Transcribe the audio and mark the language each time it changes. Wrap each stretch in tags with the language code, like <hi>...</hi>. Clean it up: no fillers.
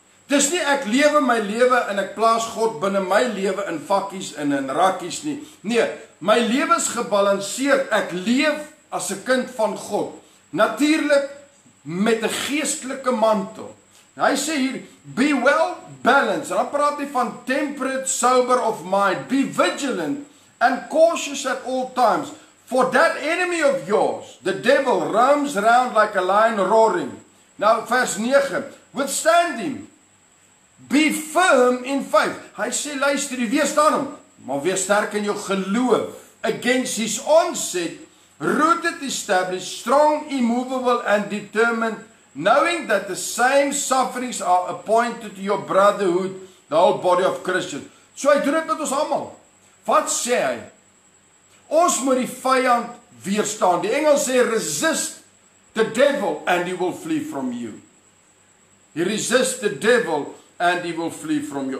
<af>Dis nie ek lewe my lewe en ek plaas God binnen my lewe in vakkies en in rakkies nie. Nee, my lewe is gebalanceerd. Ek leef as 'n kind van God. Natuurlijk met 'n geestelike mantel. Hy sê hier,</af> <en>be well balanced.</en> <af>En dan praat hy van</af> <en>temperate, sober of mind. Be vigilant and cautious at all times. For that enemy of yours, the devil, roams round like a lion roaring.</en> <af>Nou vers 9,</af> <en>withstand him. Be firm in faith.</en> <af>Hy sê, luister, wees aan hom, maar wees sterk in jou geloof.</af> <en>Against his onset, rooted, established, strong, immovable and determined, knowing that the same sufferings are appointed to your brotherhood, the whole body of Christians.</en> <af>So hy doen dit met ons allemaal. Wat sê hy? Ons moet die vijand weerstaan. Die Engels sê,</af> <en>resist the devil and he will flee from you. He resist the devil and he will flee from you.</en>